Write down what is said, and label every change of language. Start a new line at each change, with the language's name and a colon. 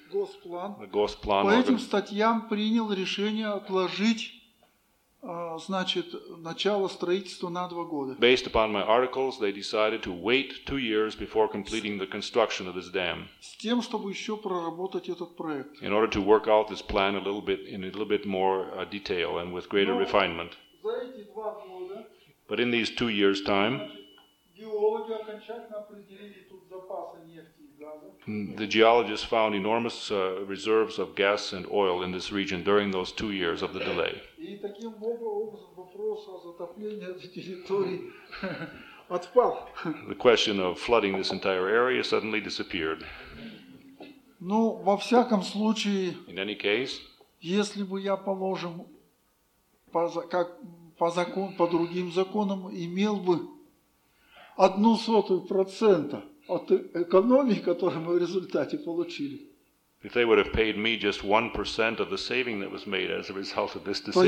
Russian: Госплан, по этим статьям принял решение отложить, значит, начало строительства на 2 года.
English: Based upon my articles, they decided to wait 2 years before completing the construction of this dam.
Russian: С тем, чтобы еще проработать этот проект.
English: In order to work out this plan in a little bit more detail and with greater refinement.
Russian: За эти 2 года.
English: But in these 2 years' time.
Russian: Геологи окончательно определили тут запасы нефти и газа.
English: The geologists found enormous reserves of gas and oil in this region during those 2 years of the delay.
Russian: И таким образом вопрос о затоплении этой территории отпал.
English: The question of flooding this entire area suddenly disappeared.
Russian: Ну, во всяком случае.
English: In any case.
Russian: Если бы я положим по другим законам имел бы 0.01% от экономии, которую мы в результате получили.
English: If they would have paid me just 1% of the saving that was made as a result of this decision,